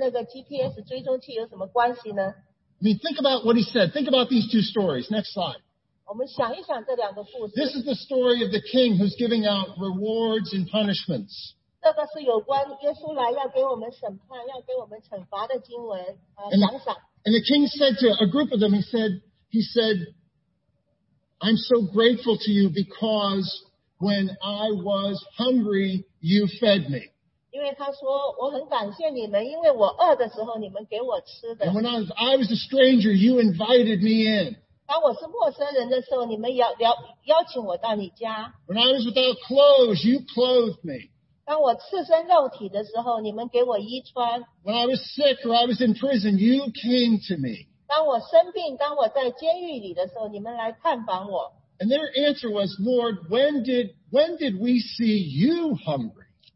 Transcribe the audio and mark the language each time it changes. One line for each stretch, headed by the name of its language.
Chinese: 那这跟在耶稣基督脚踝上的那个GPS追踪器有什么关系呢?
English: I mean, think about what he said. Think about these two stories. Next slide.
Chinese: 我们想一想这两个故事。
English: This is the story of the king who's giving out rewards and punishments.
Chinese: 这个是有关耶稣来要给我们审判,要给我们惩罚的经文,想想。
English: And the king said to a group of them, he said, I'm so grateful to you because when I was hungry, you fed me.
Chinese: 因为他说,我很感谢你们,因为我饿的时候,你们给我吃的。
English: And when I was a stranger, you invited me in.
Chinese: 当我是陌生人的时候,你们邀请我到你家。
English: When I was without clothes, you clothed me.
Chinese: 当我赤身肉体的时候,你们给我衣穿。
English: When I was sick or I was in prison, you came to me.
Chinese: 当我生病,当我在监狱里的时候,你们来探访我。
English: And their answer was, Lord, when did we see you hungry?